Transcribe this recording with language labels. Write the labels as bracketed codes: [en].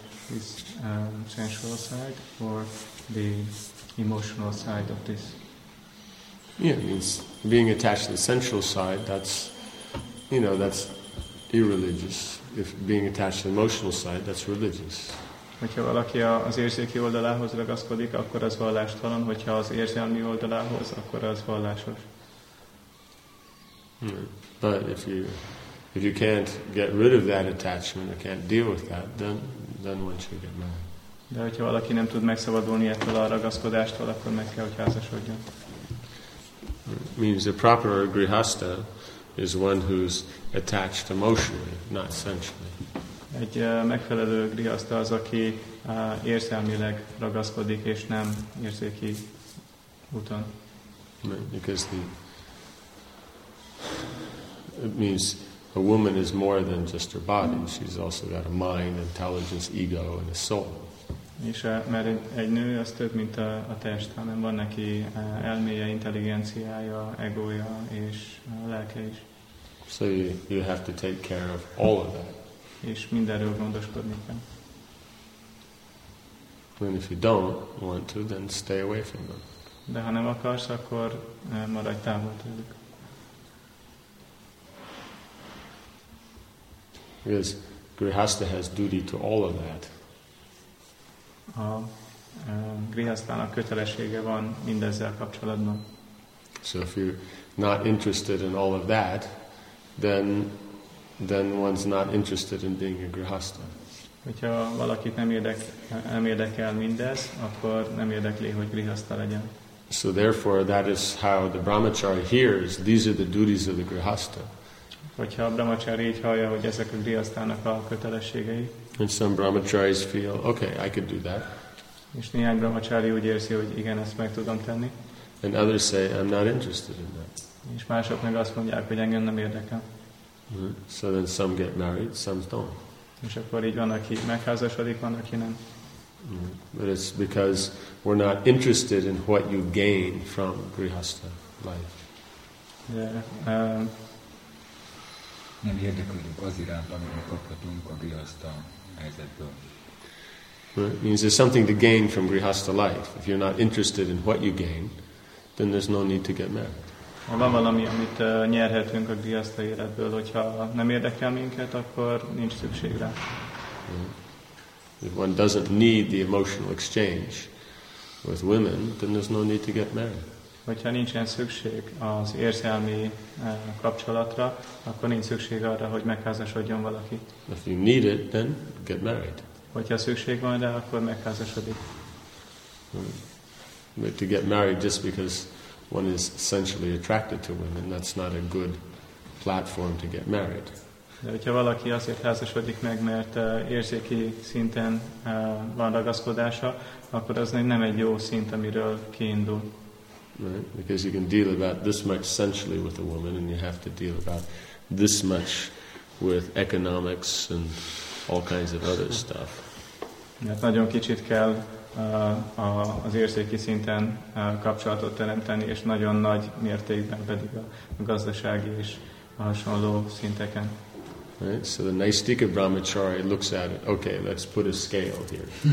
[en] this sensual side or the emotional side of this? Yeah, it means being attached to the sensual side, that's, you know, that's irreligious. If being attached to the emotional side, that's religious. [hu] Hogyha valaki az érzéki oldalához ragaszkodik, akkor az vallástalan, hogyha az érzelmi oldalához, akkor az vallásos. [en] But if you can't get rid of that attachment, or can't deal with that, then one should get married. [hu] De hogyha valaki nem tud megszabadulni ettől a ragaszkodástól, akkor meg kell, hogy házasodjon. [en] Means the proper grihasta is one who's attached emotionally, not sensually. [hu] Egy megfelelő grihasta az, aki érzelmileg ragaszkodik és nem érzéki úton. [en] Because it means a woman is more than just her body. She's also got a mind, intelligence, ego, and a soul. [hu] És mert egy nő az több, mint a test, hanem van neki elméje, intelligenciája, egója és lelke is. [en] So you have to take care of all of that. [hu] És mindenről gondoskodni kell. [en] And if you don't want to, then stay away from them. [hu] De ha nem akarsz, akkor maradj távol tőlük. [en] Because grihasta has duty to all of that. [hu] A grihasztának kötelessége van mindezzel kapcsolatban. [en] So if you're not interested in all of that, then one's not interested in being a grihasta. [hu] Hogyha valakit nem érdekel mindez, akkor nem érdekli, hogy grihasta legyen. [en] So therefore, that is how the brahmachari hears, these are the duties of the grihasta. [hu] Hogyha a brahmachari így hallja, hogy ezek a grihasztának a kötelességei. [en] And some brahmacharis feel, okay, I could do that. [hu] És néhány brahmachari úgy érzi, hogy igen, ezt meg tudom tenni. [en] And others say, I'm not interested in that. [hu] És mások meg azt mondják, hogy engem nem érdekel. [en] So then some get married, some don't. [hu] És akkor így van, aki megházasodik, van, aki nem. [en] But it's because we're not interested in what you gain from grihasta life. [hu] Nem érdeklődünk az iránt, amit kaphatunk a grihasta helyzetből. [en] It means there's something to gain from grihasta life. If you're not interested in what you gain, then there's no need to get married. [hu] Ha van valami, amit nyerhetünk a grihasta életből, hogyha nem érdekel minket, akkor nincs szükség rá. [en] If one doesn't need the emotional exchange with women, then there's no need to get married. [hu] Hogyha nincsen szükség az érzelmi kapcsolatra, akkor nincs szükség arra, hogy megházasodjon valaki. [en] If you need it, then get married. [hu] Hogyha szükség van rá, akkor megházasodik. [en] But to get married just because one is sensually attracted to women, that's not a good platform to get married. [hu] De hogyha valaki azért házasodik meg, mert érzéki szinten van ragaszkodása, akkor az nem egy jó szint, amiről kiindul. [en] Right? Because you can deal about this much sensually with a woman, and you have to deal about this much with economics and all kinds of other stuff. [hu] Mert nagyon kicsit kell az érzéki szinten kapcsolatot teremteni, és nagyon nagy mértékben pedig a gazdasági és a hasonló szinteken. [en] Right? So the Naistika Brahmachari looks at it, okay, let's put a scale here.